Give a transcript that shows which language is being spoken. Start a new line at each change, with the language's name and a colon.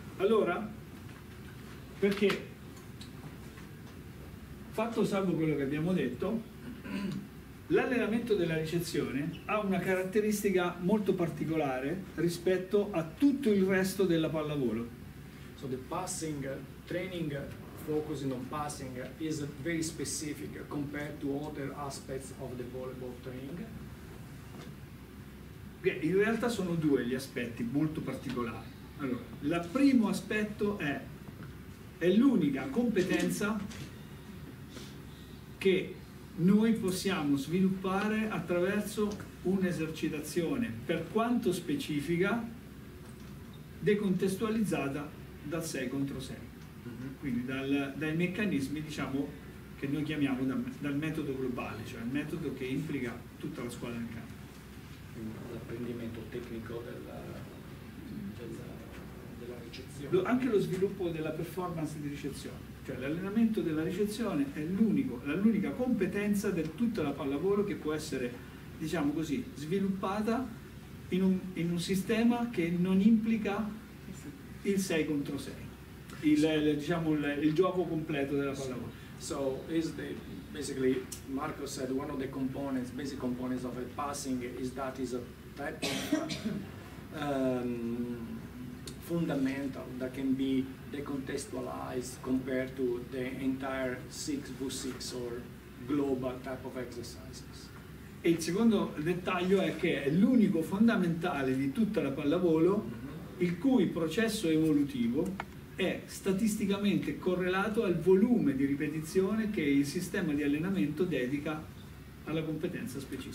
Italian: Allora, perché fatto salvo quello che abbiamo detto, l'allenamento della ricezione ha una caratteristica molto particolare rispetto a tutto il resto della pallavolo.
English: So the passing training focusing on passing is very specific compared to other aspects of the volleyball training.
Italian: In realtà sono due gli aspetti molto particolari. Allora, il primo aspetto è l'unica competenza che noi possiamo sviluppare attraverso un'esercitazione, per quanto specifica, decontestualizzata dal 6 contro 6, quindi dai meccanismi, diciamo, che noi chiamiamo dal metodo globale, cioè il metodo che implica tutta la squadra in campo. L'apprendimento tecnico della ricezione. Anche lo sviluppo della performance di ricezione. Cioè l'allenamento della ricezione è l'unica competenza di tutta la pallavolo che può essere, diciamo così, sviluppata in un sistema che non implica il 6 contro 6, il gioco completo della pallavolo.
English: So is the basically Marco said one of the components, basic components of a passing is that is a type of fundamental that can be decontextualized compared to the entire 6v6 or global type of exercises.
Italian: E il secondo dettaglio è che è l'unico fondamentale di tutta la pallavolo il cui processo evolutivo è statisticamente correlato al volume di ripetizione che il sistema di allenamento dedica alla competenza specifica.